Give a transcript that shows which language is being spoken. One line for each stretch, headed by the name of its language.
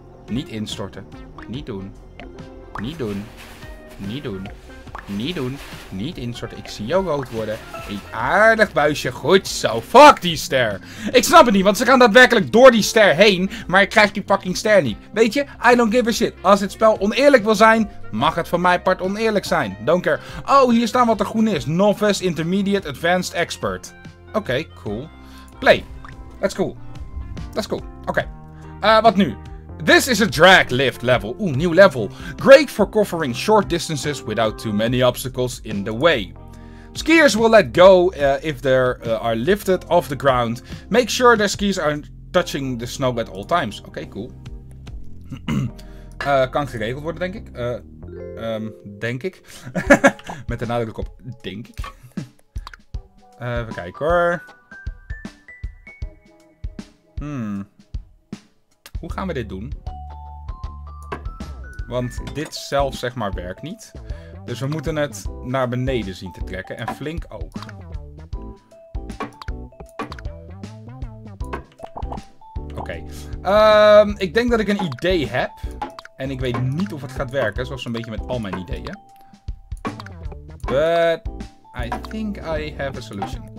Dutch: Niet instorten. Niet doen. Niet doen. Niet doen. Niet doen. Niet instorten. Ik zie jou rood worden. Een aardig buisje. Goed zo. Fuck die ster. Ik snap het niet, want ze gaan daadwerkelijk door die ster heen. Maar ik krijg die fucking ster niet. Weet je?
English: I don't give a shit.
Dutch: Als het spel oneerlijk wil zijn, mag het van mijn part oneerlijk zijn.
English: Don't care.
Dutch: Oh, hier staan wat er groen is.
English: Novice, intermediate, advanced, expert. Oké, cool. Play. That's cool. That's cool. Oké.
Dutch: Wat nu?
English: This is a drag lift level.
Dutch: Oeh, nieuw level.
English: Great for covering short distances without too many obstacles in the way. Skiers will let go if they are lifted off the ground. Make sure their skis are touching the snow at all times.
Dutch: Oké, cool. kan geregeld worden, denk ik. Denk ik. Met de nadruk op denk ik. Even kijken hoor. Hoe gaan we dit doen? Want dit zelf, zeg maar, werkt niet. Dus we moeten het naar beneden zien te trekken. En flink ook. Oké. Ik denk dat ik een idee heb. En ik weet niet of het gaat werken. Zoals een beetje met al mijn ideeën.
English: But I think I have a solution.